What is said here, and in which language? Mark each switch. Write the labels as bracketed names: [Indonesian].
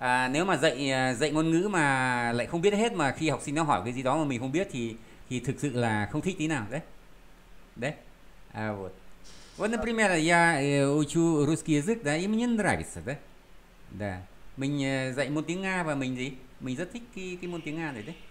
[Vietnamese] Nếu mà dạy dạy ngôn ngữ mà lại không biết hết, mà khi học sinh nó hỏi cái gì đó mà mình không biết thì thực sự là không thích tí nào đấy. Đấy. Вот. [Russian] Вот, например, я учу русский язык, да, и мне нравится, да? Да. [Vietnamese] Mình dạy môn tiếng Nga và mình gì? Mình rất thích cái môn tiếng Nga này đấy.